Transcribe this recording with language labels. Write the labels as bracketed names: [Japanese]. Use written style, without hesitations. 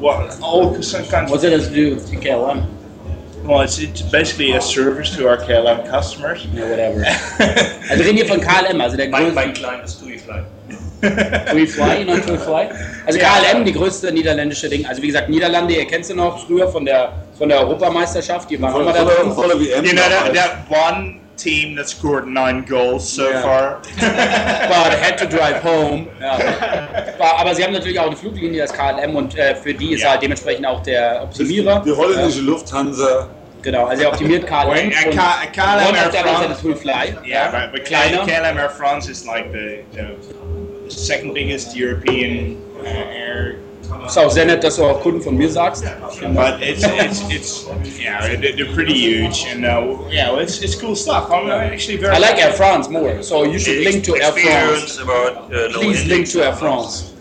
[English] What's it has to do with KLM? Well, it's basically a service to our KLM customers. Yeah, whatever. [German] Also, reden hier von KLM, also der größte. Mein kleines TUI-Fly. [English] TUI-Fly, you know TUI-Fly? Also, yeah. [German] KLM, die größte niederländische Ding. Also, wie gesagt, Niederlande, ihr kennt sie noch früher von der Europameisterschaft. Die waren immer da. Von der WM. [English] You know, that one team that scored 9 goals so far. But had to drive home. Ja. [German] Aber sie haben natürlich auch eine Fluglinie, das KLM, und für die ist halt dementsprechend auch der Optimierer. Die holländische Lufthansa. Genau, also er optimiert KLM. KLM Air France. [English] Yeah, but KLM Air France is like the second biggest European air. [German] Ist auch sehr nett, dass du auch Kunden von mir sagst. [English] But it's yeah, they're pretty huge, and it's cool stuff. I'm actually very. I like Air France more, so you should link to Air France. About, please link to Air France.